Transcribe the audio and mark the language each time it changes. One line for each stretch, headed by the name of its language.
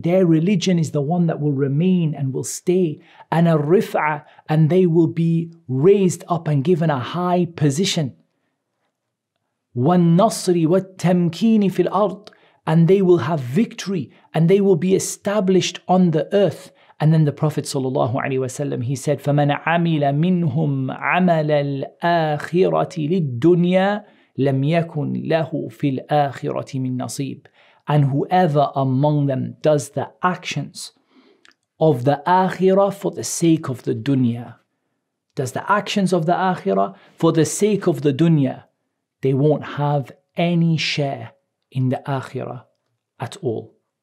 English: Their religion is the one that will remain and will stay. And al-rif'a, and they will be raised up and given a high position.
Arabic: وَالنَّصْرِ وَالتَّمْكِينِ فِي الْأَرْضِ,
English: and they will have victory, and they will be established on the earth. And then the Prophet sallallahu alaihi wasallam, he said,
Arabic: فَمَنْ عَمِلَ مِنْهُمْ عَمَلَ الْآخِرَةِ لِلدُّنْيَا لَمْ يَكُنْ لَهُ فِي الْآخِرَةِ مِنْ نَصِيبٍ.
English: And whoever among them does the actions of the akhirah for the sake of the dunya, does the actions of the akhirah for the sake of the dunya, they won't have any share in the akhirah at all.